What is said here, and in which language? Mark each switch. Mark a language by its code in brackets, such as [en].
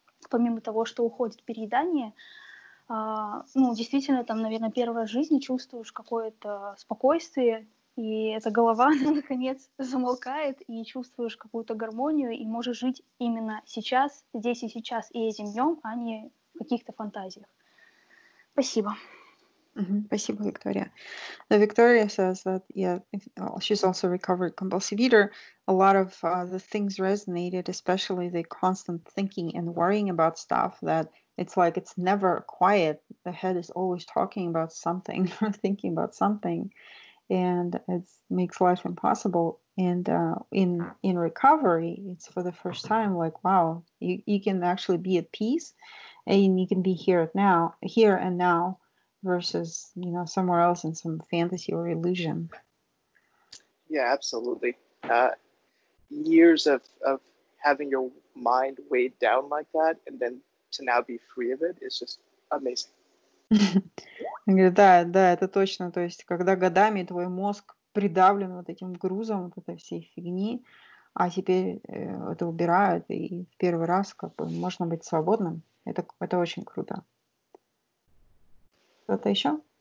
[ru] помимо того, что уходит переедание, ну, действительно, там, наверное, первый раз в жизни чувствуешь какое-то спокойствие, и эта голова, наконец, замолкает, и чувствуешь какую-то гармонию, и можешь жить именно сейчас, здесь и сейчас, и этим днем, а не в каких-то фантазиях. Спасибо. Спасибо, Виктория. [en] Виктория says that, yeah, she's also a recovered compulsive eater. A lot of the things resonated, especially the constant thinking and worrying about stuff, that it's like it's never quiet. The head is always talking about something or thinking about something, and it makes life impossible. And in recovery, it's for the first time, like, wow, you can actually be at peace, and you can be here and now, versus, you know, somewhere else in some fantasy or illusion. Yeah, absolutely. Years of having your mind weighed down like that, and then to now be free of it, is just amazing. [ru] Он говорит, да, да, это точно. То есть, когда годами твой мозг придавлен вот этим грузом, вот этой всей фигни, а теперь это убирают, и в первый раз как бы можно быть свободным. Это очень круто. Кто-то еще?